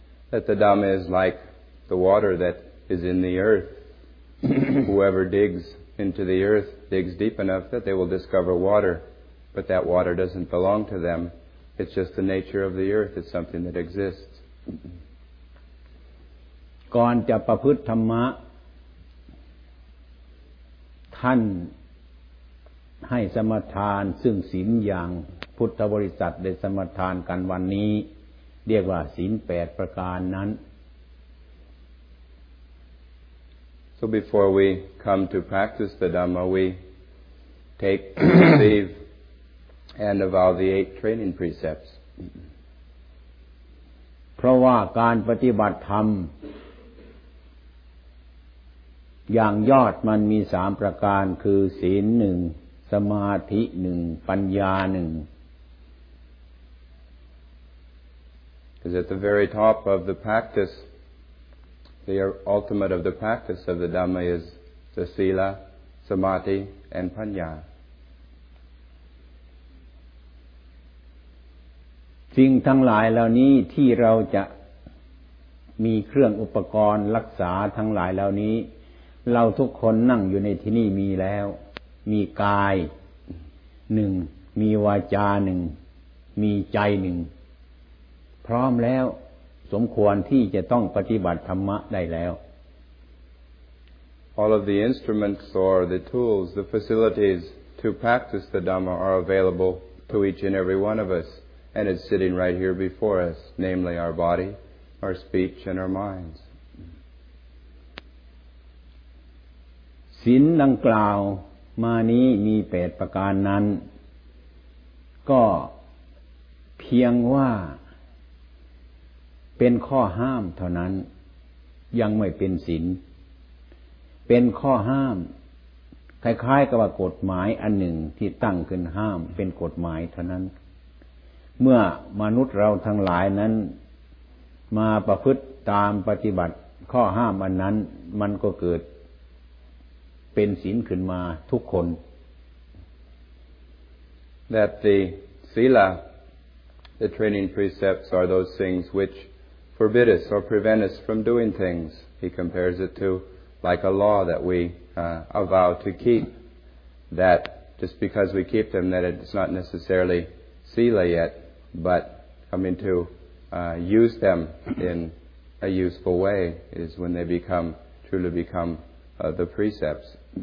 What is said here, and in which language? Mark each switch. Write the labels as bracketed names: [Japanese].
[English] That the Dhamma is like the water that is in the earthWhoever digs into the earth digs deep enough that they will discover water, but that water doesn't belong to them. It's just the nature of the earth. It's something that exists. [Thai] ก่อนจะประพฤติธรรมะท่านให้สมาทานซึ่งศีลอย่างพุทธบริษัทได้สมาทานกันวันนี้เรียกว่าศีล8ประการนั้น [English] So before we come to practice the Dhamma, we take leave and avow the 8 training precepts. [Thai] เพราะว่าการปฏิบัติธรรมอย่างยอดมันมี3ประการคือศีล1สมาธิ1ปัญญา1 [English] Because at the very top of the practiceThe ultimate of the practice of the Dhamma is the Sila, Samadhi, and Panya. [Thai] สิ่งทั้งหลายเหล่านี้ที่เราจะมีเครื่องอุปกรณ์รักษาทั้งหลายเหล่านี้เราทุกคนนั่งอยู่ในที่นี่มีแล้วมีกาย1มีวาจา1มีใจ1พร้อมแล้วสมควรที่จะต้องปฏิบัติธรรมะได้แล้ว [English] All of the instruments or the tools, the facilities to practice the Dhamma are available to each and every one of us, and it's sitting right here before us, namely our body, our speech, and our minds. [Thai] ศีลดังกล่าวมานี้มี8ประการนั้นก็เพียงว่าเป็นข้อห้ามเท่านั้นยังไม่เป็นศีล เป็นข้อห้ามคล้ายๆกับกฎหมายอันหนึ่งที่ตั้งขึ้นห้ามเป็นกฎหมายเท่านั้นเมื่อมนุษย์เราทั้งหลายนั้นมาประพฤติตามปฏิบัติข้อห้ามอันนั้นมันก็เกิดเป็นศีลขึ้นมาทุกคน [English] That the sila the training precepts are those things whichForbid us or prevent us from doing things. He compares it to like a law that we avow to keep. That just because we keep them, that it's not necessarily sila yet, but coming to use them in a useful way is when they become truly become the precepts.